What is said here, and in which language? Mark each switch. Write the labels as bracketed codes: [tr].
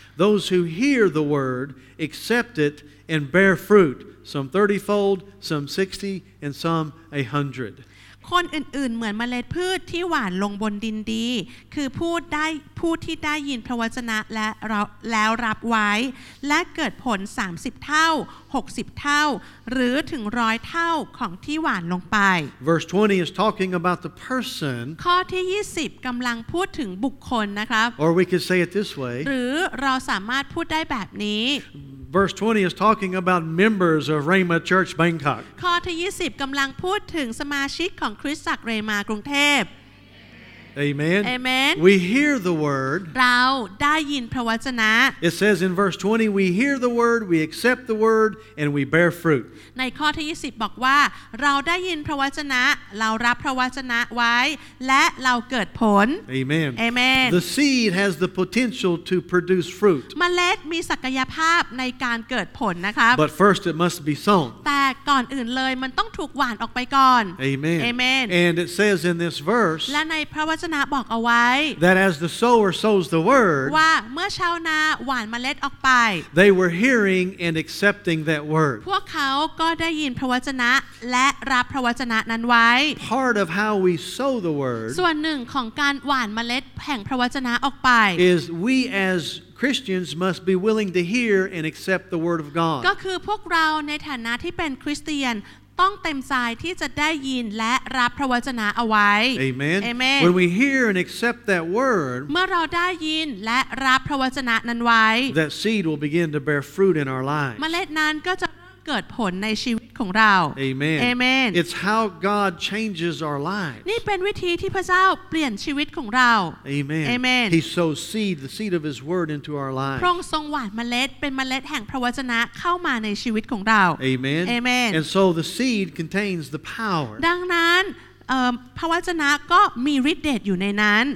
[en] Those who hear the word, accept it. And bear fruit, some 30-fold, some 60, and some 100. [th] คนอื่นๆเหมือนเมล็ดพืชที่หว่านลงบนดินดีคือผู้ที่ได้ยินพระวจนะแล้วรับไว้และเกิดผล30เท่า60เท่าหรือถึง100เท่าของที่หว่านลงไป [en] Verse 20 is talking about the person [th] ข้อที่20กำลังพูดถึงบุคคลนะครับ [en] Or we could say it this way [th] หรือเราสามารถพูดได้แบบนี้ [en] Verse 20 is talking about members of Rhema Church Bangkok. [th] ข้อที่20กำลังพูดถึงสมาชิกของคริสตจักรเรมากรุงเทพ [en] Amen. Amen. We hear the word. [th] เราได้ยินพระวจนะ [en] It says in verse 20, we hear the word, we accept the word, and we bear fruit. [th] ในข้อที่20บอกว่าเราได้ยินพระวจนะเรารับพระวจนะไว้และเราเกิดผล [en] Amen. Amen. The seed has the potential to produce fruit. [th] เมล็ดมีศักยภาพในการเกิดผลนะคะ [en] But first it must be sown. [th] แต่ก่อนอื่นเลยมันต้องถูกหว่านออกไปก่อน [en] Amen. Amen. And it says in this verse. [th] และในพระวจนะบอกเอาไว้ [en] That as the sower sows the word. [th] ว่าเมื่อชาวนาหว่านเมล็ดออกไป [en] They were hearing and accepting that word. [th] พวกเขาก็ได้ยินพระวจนะและรับพระวจนะนั้นไว้ [en] Part of how we sow the word. [th] ส่วนหนึ่งของการหว่านเมล็ดแห่งพระวจนะออกไป [en] Is we asChristians must be willing to hear and accept the word of God. [th] ก็คือพวกเราในฐานะที่เป็นคริสเตียนต้องเต็มใจที่จะได้ยินและรับพระวจนะเอาไว้ [en] Amen. Amen. When we hear and accept that word, [th] เมื่อเราได้ยินและรับพระวจนะนั้นไว้ [en] That seed will begin to bear fruit in our lives. [th] เมล็ดนั้นก็จะเกิดผลในชีวิตของเรา [en] Amen. Amen. It's how God changes our lives. [th] นี่เป็นวิธีที่พระเจ้าเปลี่ยนชีวิตของเรา [en] Amen. Amen. He sows seed, the seed of His word, into our lives. [th] พระองค์ทรงหว่านเมล็ดเป็นเมล็ดแห่งพระวจนะเข้ามาในชีวิตของเรา [en] Amen. Amen. And so the seed contains the power. [th] ดังนั้นพระวจนะก็มีฤทธิ์เดชอยู่ในนั้น